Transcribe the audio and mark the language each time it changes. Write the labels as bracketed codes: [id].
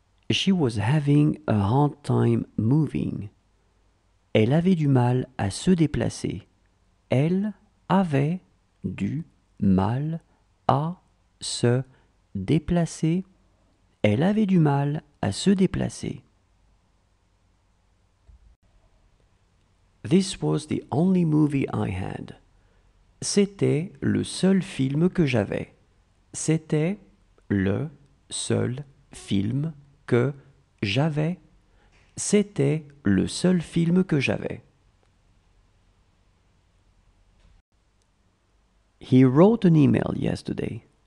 [en] She was having a hard time moving. [fr] Elle avait du mal à se déplacer. Elle avait du mal à se déplacer. Elle avait du mal à se déplacer. [en] This was the only movie I had. [fr] C'était le seul film que j'avais. C'était le seul film que j'avais. C'était le seul film que j'avais. [en] He wrote an email yesterday.